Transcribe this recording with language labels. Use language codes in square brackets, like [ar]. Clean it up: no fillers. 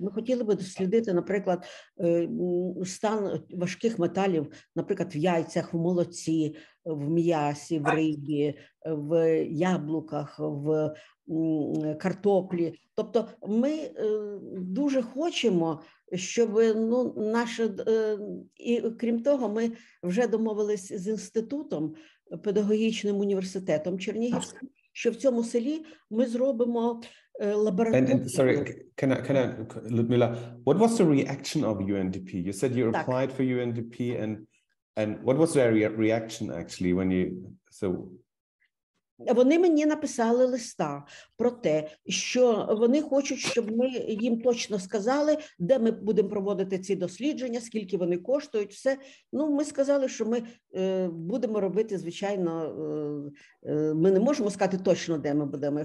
[uk] Ми хотіли би дослідити, наприклад, стан важких металів, наприклад, в яйцях, в молоці, в м'ясі, в рибі, в яблуках, в картоплі. Тобто ми дуже хочемо, щоб наше... І крім того, ми вже домовились з інститутом, педагогічним університетом Чернігівським, що в цьому селі ми зробимо... [en] Can I, Людмила, what was the reaction of UNDP? You said you applied for UNDP, and what was their reaction actually when you so? [uk] Вони мені написали листа про те, що вони хочуть, щоб ми їм точно сказали, де ми будемо проводити ці дослідження, скільки вони коштують, все. Ну, ми сказали, що ми будемо робити, звичайно, ми не можемо сказати точно, де ми будемо.